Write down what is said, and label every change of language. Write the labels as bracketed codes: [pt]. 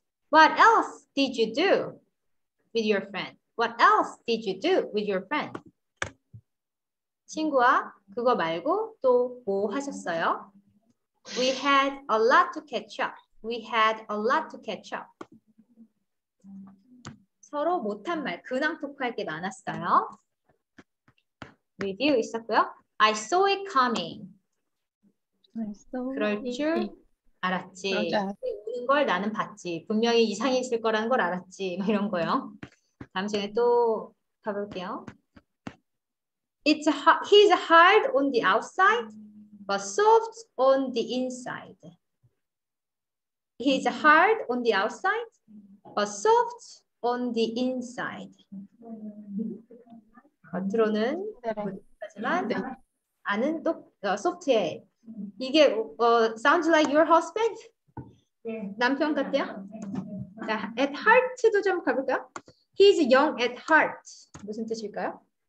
[en] What else did you do with your friend? What else did you do with your friend? [ko] 친구와 그거 말고 또 뭐 하셨어요? [en] We had a lot to catch up. We had a lot to catch up. [ko] 서로 못한 말, 근황 토크할 게 많았어요. [en] Review [ko] 있었고요. [en] I saw it coming. I saw [ko] 그럴 줄 알았지. 맞아. 오는 걸 나는 봤지. 분명히 이상이 있을 거라는 걸 알았지. 막 이런 거요. 다음 시간에 또 가볼게요. [en] He's hard on the outside, but soft on the inside. He's hard on the outside, but soft on the inside. [ko] 겉으로는 하지만 안은 또 소프트해. [en] 이게 sounds like your husband? [ko] 남편 같아요? [en] At heart도 [ko] 좀 가볼까요? [en] He's young at heart. [ko] 무슨 뜻일까요?